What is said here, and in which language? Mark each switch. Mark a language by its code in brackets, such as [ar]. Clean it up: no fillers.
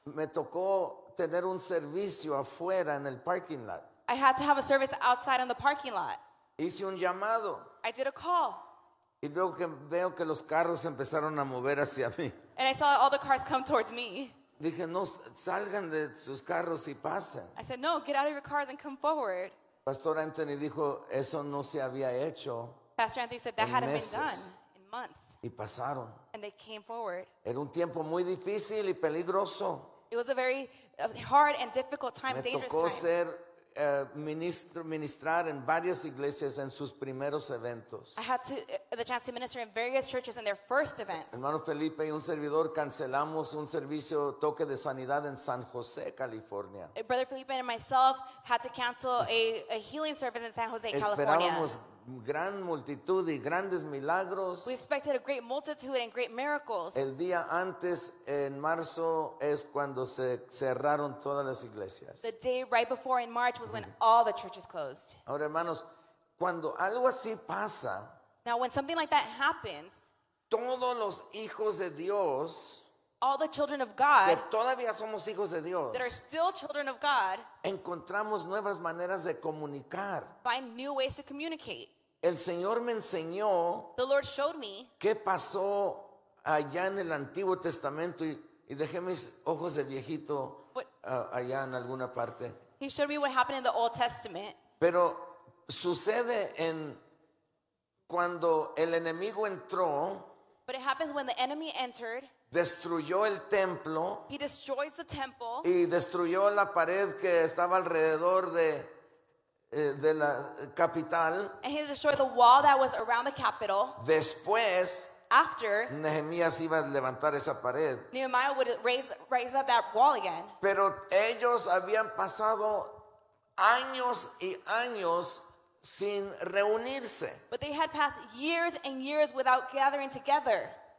[es] Me tocó tener un servicio afuera en el parking lot. [en] I had to have a service outside in the parking lot. [es] Hice un llamado. [en] I did a call. [es] Y luego que veo que los carros empezaron a mover hacia mí. [en] And I saw all the cars come towards me. [es] Dije, no, salgan de sus carros y pasen. [en] I said, no, get out of your cars and come forward. [es] Pastor Anthony dijo, eso no se había hecho. [en] Pastor Anthony said, that hadn't been done in months. [es] Y pasaron. [en] And they came forward. [es] Era un tiempo muy difícil y peligroso. [en] It was a very hard and difficult time, [es] me [en] dangerous [es] tocó Ser, ministrar en varias iglesias en sus primeros eventos. [en] I had to, the chance to minister in various churches in their first events. [es] Hermano Felipe y un servidor cancelamos un servicio toque de sanidad en San Jose, California. [en] Brother Felipe and myself had to cancel a healing service in San Jose, California. [es] Esperábamos gran multitud y grandes milagros. [en] We expected a great multitude and great miracles. [es] El día antes, en marzo, es cuando se cerraron todas las iglesias. [en] The day right before in March was when all the churches closed. [es] Ahora, hermanos, cuando algo así pasa, [en] now when something like that happens, [es] todos los hijos de Dios, [en] all the children of God, [es] que todavía somos hijos de Dios, [en] that are still children of God, [es] encontramos nuevas maneras de comunicar. [en] Find new ways to communicate. [es] El Señor me enseñó, [en] the Lord showed me, [es] qué pasó allá en el Antiguo Testamento y dejé mis ojos de viejito allá en alguna parte. [en] He showed me what happened in the Old Testament. [es] Pero sucede en cuando el enemigo entró. [en] But it happens when the enemy entered. [es] Destruyó el templo. [en] He destroys the temple. [es] Y destruyó la pared que estaba alrededor de la capital. [en] And he destroyed the wall that was around the capital. [es] Después, [en] after, [es] Nehemías iba a levantar esa pared. [en] Nehemiah would raise up that wall again. [es] Pero ellos habían pasado años y años sin reunirse. [en] But they had passed years and years without gathering together.